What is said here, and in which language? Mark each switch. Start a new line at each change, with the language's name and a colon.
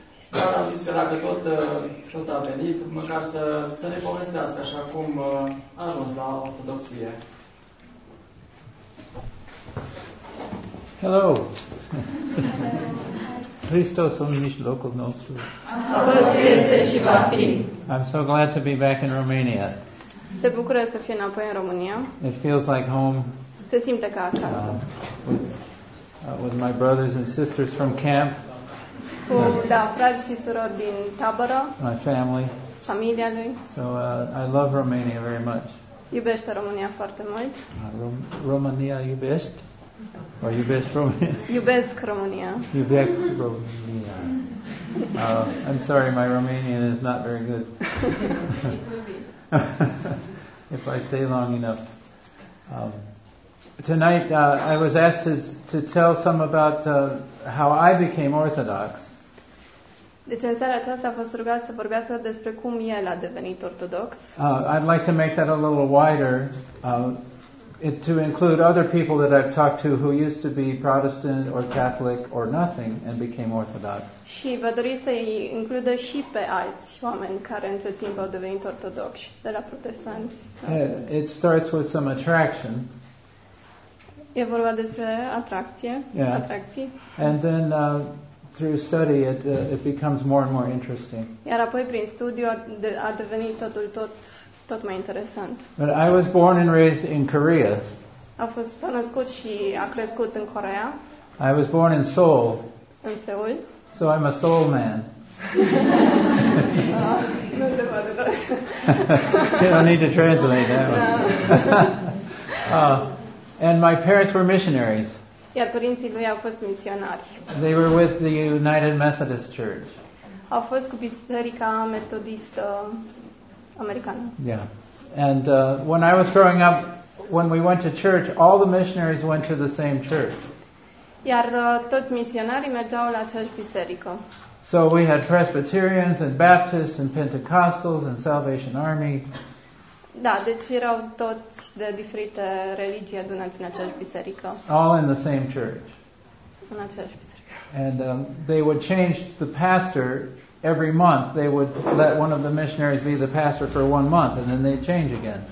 Romanian: Dar am zis că dacă tot a venit, măcar să ne povestească așa cum a ajuns la ortodoxie.
English: Hello!
Romanian: Hristos în mijlocul nostru. A fost, este și va fi.
English: I'm so glad to be back in Romania.
Romanian: Se bucură să fie înapoi în România.
English: It feels like home.
Romanian: Se simte ca acasă.
English: With my brothers and sisters from camp.
Romanian: Cu, da, frați și surori din tabără.
English: My family.
Romanian: Familia lui.
English: So I love Romania very much.
Romanian: Iubește România foarte mult. România iubește? Or iubești România? Iubesc România. Iubesc România.
English: I'm sorry, my Romanian is not very good. If I stay long enough. Tonight I was asked to tell some about how I became Orthodox.
Romanian: Deci în seara aceasta a fost rugat să vorbească despre cum el a devenit ortodox.
English: I'd like to make that a little wider to include other people that I've talked to who used to be Protestant or Catholic or nothing and became Orthodox.
Romanian: Și vă dori să includă și pe alți oameni care între timp au devenit ortodoxi, de la protestanți.
English: It starts with some attraction.
Romanian: E vorba despre atracție,
English: yeah.
Romanian: Atracții.
English: And then through study it becomes more and more interesting.
Romanian: Iar apoi prin studiu a devenit totul tot mai interesant.
English: But I was born and raised in Korea.
Romanian: A fost născut și a crescut în Coreea.
English: I was born in Seoul.
Romanian: În Seul.
English: So I'm a Seoul man.
Romanian: Nu se poate.
English: You don't need to translate that one. And my parents were missionaries.
Romanian: Iar părinții lui au fost misionari.
English: They were with the United Methodist Church.
Romanian: Au fost cu Biserica Metodistă Americană.
English: Yeah. And when I was growing up, when we went to church, all the missionaries went to the same church.
Romanian: Iar toți misionarii mergeau la aceeași biserică.
English: So we had Presbyterians and Baptists and Pentecostals and Salvation Army.
Romanian: Da, deci erau toți de diferite religii adunați în aceeași biserică.
English: All in the same church.
Romanian: În aceeași biserică.
English: And they would change the pastor every month. They would let one of the missionaries be the pastor for one month and then they'd change again.